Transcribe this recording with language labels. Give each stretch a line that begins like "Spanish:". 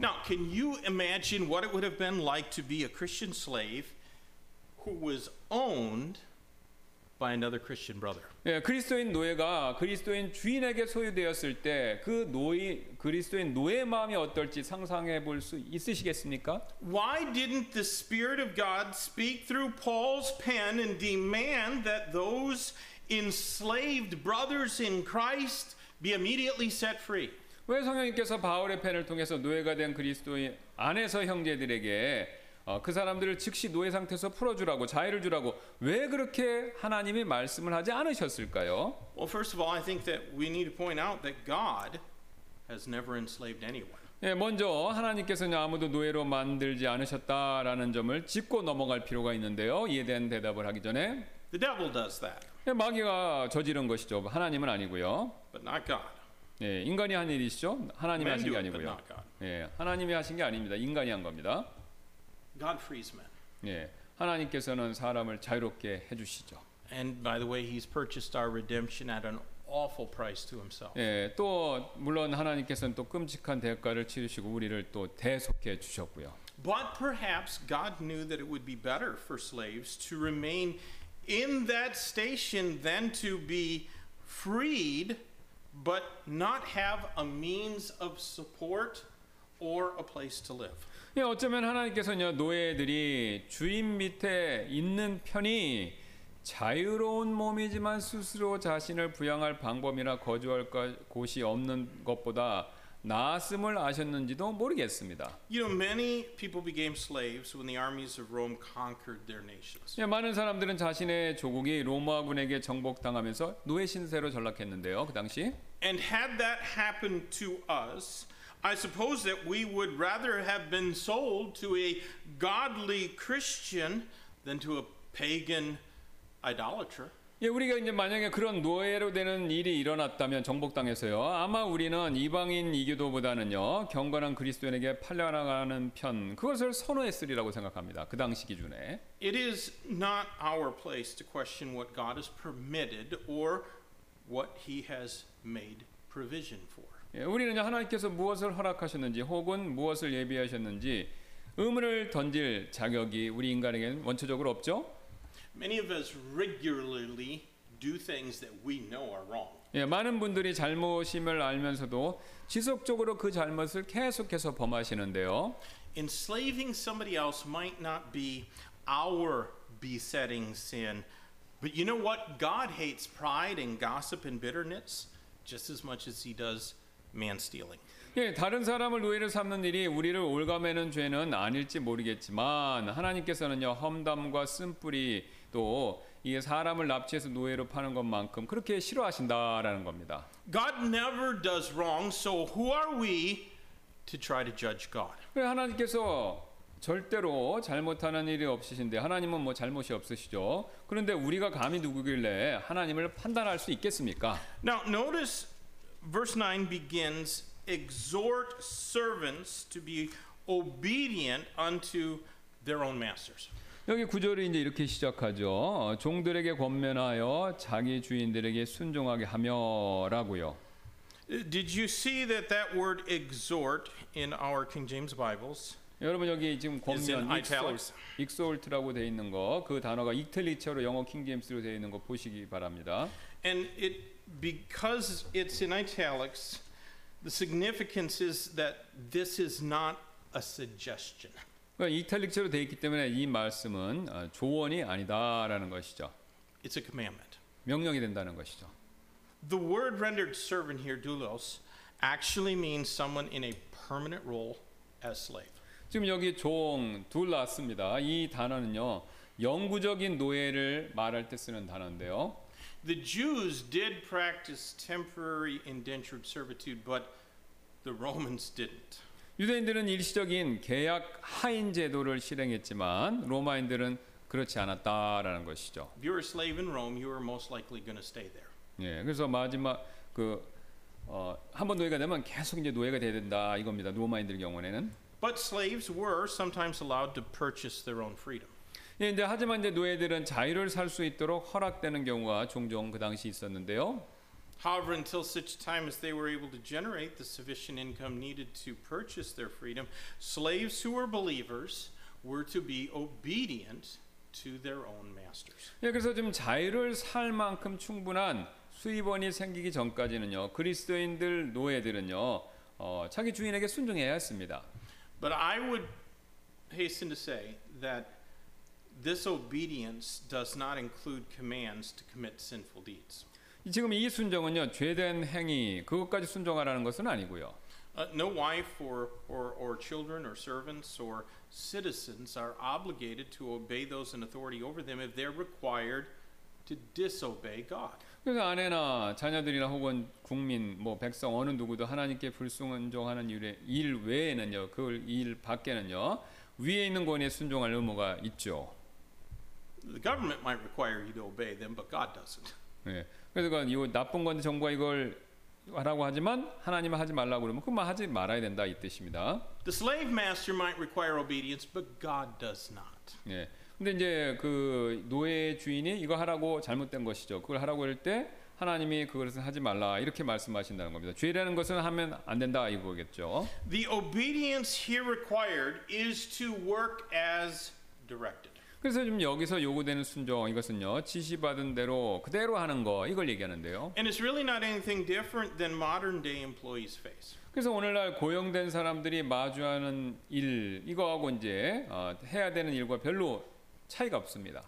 English: Now, can you imagine what it would have been like to be a Christian slave who was owned by another Christian brother?
Korean: 예, 그리스도인 노예가 그리스도인 주인에게 소유되었을 때 그 노예 그리스도인 노예 마음이 어떨지 상상해 볼 수 있으시겠습니까?
English: Why didn't the Spirit of God speak through Paul's pen and demand that those enslaved brothers in Christ be immediately set free?
Korean: 왜 성령님께서 바울의 펜을 통해서 노예가 된 그리스도인 안에서 형제들에게 그 사람들을 즉시 노예 상태에서 풀어주라고 자유를 주라고 왜 그렇게 하나님이 말씀을 하지 않으셨을까요?
English: Well, first of all, I think that we need to point out that God has never enslaved anyone.
Korean: 예, 먼저 하나님께서는 아무도 노예로 만들지 않으셨다라는 점을 짚고 넘어갈 필요가 있는데요. 이에 대한 대답을 하기 전에
English: The devil does that.
Korean: 예, 마귀가 저지른 것이죠. 하나님은 아니고요.
English: But not God.
Korean: 예, 인간이 한 일이시죠. 하나님이 하신 게 아니고요.
English: But not God.
Korean: 예, 하나님이 하신 게 아닙니다. 인간이 한 겁니다.
English: God frees men.
Korean: 예, 하나님께서는 사람을 자유롭게 해주시죠.
English: And by the way, He's purchased our redemption at an awful price to Himself.
Korean: 예, 또 물론 하나님께서는 또 끔찍한 대가를 치르시고 우리를 또 대속해 주셨고요.
English: But perhaps God knew that it would be better for slaves to remain in that station than to be freed, but not have a means of support or a place to live.
Korean: 예, 어쩌면 하나님께서는요 노예들이 주인 밑에 있는 편이 자유로운 몸이지만 스스로 자신을 부양할 방법이나 거주할 곳이 없는 것보다 나았음을 아셨는지도 모르겠습니다.
English: You know, many people became slaves when the armies of Rome conquered their nations.
Korean: 예, 많은 사람들은 자신의 조국이 로마군에게 정복당하면서 노예 신세로 전락했는데요, 그 당시.
English: And had that happened to us? I suppose that we would rather have been sold to a godly Christian than to a pagan idolater.
Korean: 예, 우리가 이제 만약에 그런 노예로 되는 일이 일어났다면 정복당해서요. 아마 우리는 이방인 이교도보다는요. 경건한 그리스도인에게 팔려나가는 편. 그것을 선호했으리라고 생각합니다. 그 당시 기준에.
English: It is not our place to question what God has permitted or what he has made provision for.
Korean: 예, 우리는 하나님께서 무엇을 허락하셨는지 혹은 무엇을 예비하셨는지 의문을 던질 자격이 우리 인간에게는 원초적으로 없죠.
English: Many of us regularly do things that we know are wrong.
Korean: 예, 많은 분들이 잘못임을 알면서도 지속적으로 그 잘못을 계속해서 범하시는데요.
English: Enslaving somebody else might not be our besetting sin, but you know what? God hates pride and gossip and bitterness just as much as he does man-stealing.
Korean: 예, 다른 사람을 노예로 삼는 일이 우리를 올가매는 죄는 아닐지 모르겠지만 하나님께서는요 험담과 쓴뿌리 또 이게 사람을 납치해서 노예로 파는 것만큼 그렇게 싫어하신다라는 겁니다.
English: God never does wrong, so who are we to try to judge God?
Korean: 예, 하나님께서 절대로 잘못하는 일이 없으신데 하나님은 뭐 잘못이 없으시죠. 그런데 우리가 감히 누구길래 하나님을 판단할 수 있겠습니까?
English: Now notice. Verse 9 begins, exhort servants to be obedient unto their own masters.
Korean: 여기 구절이 이제 이렇게 시작하죠. 종들에게 권면하여 자기 주인들에게 순종하게 하며라고요.
English: Did you see that that word exhort in our King James Bibles?
Korean: 여러분 여기 지금 권면 exhort라고 돼 있는 거 그 단어가 이탈리아어로 영어 킹제임스로 돼 있는 거 보시기 바랍니다.
English: And it because it's in italics the significance is that this is not a suggestion.
Korean: 이탈릭처로 되어 있기 때문에 이 말씀은 조언이 아니다라는 것이죠.
English: It's a commandment.
Korean: 명령이 된다는 것이죠.
English: The word rendered servant here, doulos, actually means someone in a permanent role as slave.
Korean: 지금 여기 종 둘라스입니다. 이 단어는요, 영구적인 노예를 말할 때 쓰는 단어인데요.
English: The Jews did practice temporary indentured servitude, but the Romans didn't.
Korean: 유대인들은 일시적인 계약 하인 제도를 실행했지만 로마인들은 그렇지 않았다라는 것이죠.
English: If you were a slave in Rome, you were most likely going to stay there.
Korean: 예, 그래서 마지막 그 한 번 노예가 되면 계속 이제 노예가 돼야 된다 이겁니다. 로마인들 경우에는.
English: But slaves were sometimes allowed to purchase their own freedom.
Korean: 예, 이제 하지만 이제 노예들은 자유를 살 수 있도록 허락되는 경우가 종종 그 당시 있었는데요.
English: However, until such time as they were able to generate the sufficient income needed to purchase their freedom, slaves who were believers were to be obedient to their own masters.
Korean: 예, 그래서 좀 자유를 살 만큼 충분한 수입원이 생기기 전까지는요, 그리스도인들 노예들은요, 자기 주인에게 순종해야 했습니다.
English: But I would hasten to say that this obedience does not include commands to commit sinful deeds.
Korean: 지금 이 순종은요 죄된 행위 그것까지 순종하라는 것은 아니고요.
English: No wife or children or servants or citizens are obligated to obey those in authority over them if they're required to disobey God.
Korean: 그러니까 아내나 자녀들이나 혹은 국민 뭐 백성 어느 누구도 하나님께 불순종하는 일 외에는요 그 일 밖에는요 위에 있는 권위에 순종할 의무가 있죠.
English: The government might require you to obey them, but God doesn't.
Korean: 그래서 이 나쁜 건데 정부가 이걸 하라고 하지만 하나님은 하지 말라고 그러면 그만 하지 말아야 된다 이 뜻입니다.
English: The slave master might require obedience, but God does not.
Korean: 예. 근데 이제 그 노예 주인이 이거 하라고 잘못된 것이죠. 그걸 하라고 할 때 하나님이 그것은 하지 말라 이렇게 말씀하신다는 겁니다. 죄라는 것은 하면 안 된다 이거겠죠.
English: The obedience here required is to work as directed.
Korean: 그래서 지금 여기서 요구되는 순종 이것은요 지시받은 대로 그대로 하는 거 이걸 얘기하는데요.
English: And it's really not anything different than modern day employees face.
Korean: 그래서 오늘날 고용된 사람들이 마주하는 일 이거하고 이제 해야 되는 일과 별로 차이가 없습니다.